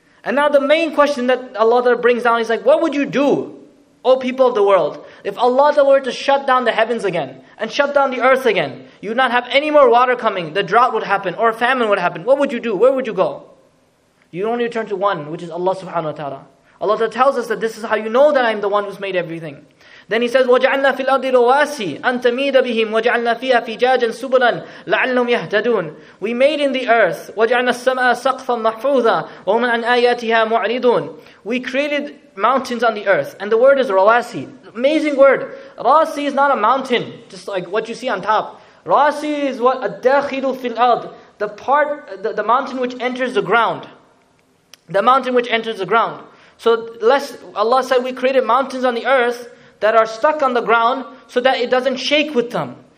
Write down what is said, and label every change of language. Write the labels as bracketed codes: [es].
[en] And now the main question that Allah brings down, he's like, what would you do, O people of the world, if Allah were to shut down the heavens again and shut down the earth again? You would not have any more water coming. The drought would happen or famine would happen. What would you do? Where would you go? You only return to one, which is Allah subhanahu wa ta'ala. Allah tells us that this is how you know that I am the one who's made everything. Then he says, [ar] وَجَعَلْنَا فِي الْأَرْضِ رُوَاسِي أَن تَمِيدَ بِهِمْ وَجَعَلْنَا فِيهَا فِجَاجًا سُبُلًا لَعَلَّهُمْ يَهْتَدُونَ. [en] We made in the earth, [ar] وَجَعَلْنَا السَّمَاءَ سَقْفًا مَحْفُوظًا وَهُمْ عَنْ آيَاتِهَا مُعْرِضُونَ. [en] We created mountains on the earth, and the word is Rawasi. Amazing word. Rasi is not a mountain, just like what you see on top. Rasi is what [ar] الدَّاخِلُ فِي الْأَرْضِ, [en] the part, the mountain which enters the ground. The mountain which enters the ground. So Allah said, we created mountains on the earth that are stuck on the ground so that it doesn't shake with them.